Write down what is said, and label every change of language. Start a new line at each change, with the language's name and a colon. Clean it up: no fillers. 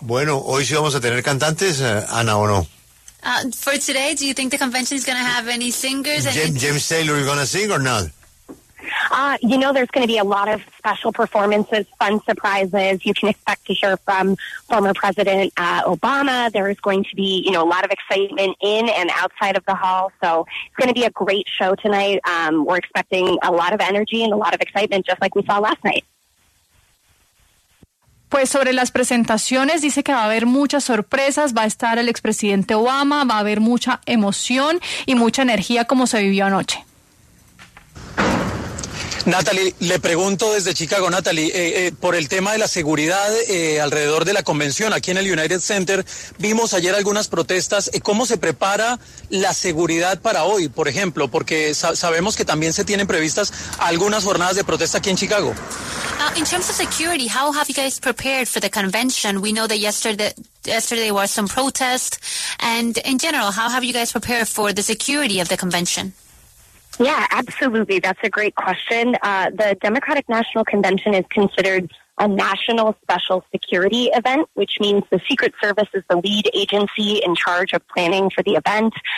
Spanish: Bueno, hoy sí vamos a tener cantantes, Ana, ¿o no?
English: For today, do you think the convention is going to have any singers? James Taylor, you going to sing or not? You know, there's going to be a lot of special performances, fun surprises. You can expect to hear from former President Obama. There is going to be, you know, a lot of excitement in and outside of the hall. So it's going to be a great show tonight. We're expecting a lot of energy and a lot of excitement, just like we saw last night.
Spanish: Pues sobre las presentaciones, dice que va a haber muchas sorpresas, va a estar el expresidente Obama, va a haber mucha emoción y mucha energía como se vivió anoche. Natalie, le pregunto desde Chicago, Natalie, por el tema de la seguridad alrededor de la convención, aquí en el United Center, vimos ayer algunas protestas. ¿Cómo se prepara la seguridad para hoy, por ejemplo? Porque sabemos que también se tienen previstas algunas jornadas de protesta aquí en Chicago.
English: In terms of security, how have you guys prepared for the convention? We know that yesterday were some protests, and in general, how have you guys prepared for the security of the convention? Yeah, absolutely. That's a great question. The Democratic National Convention is considered a national special security event, which means the Secret Service is the lead agency in charge of planning for the event.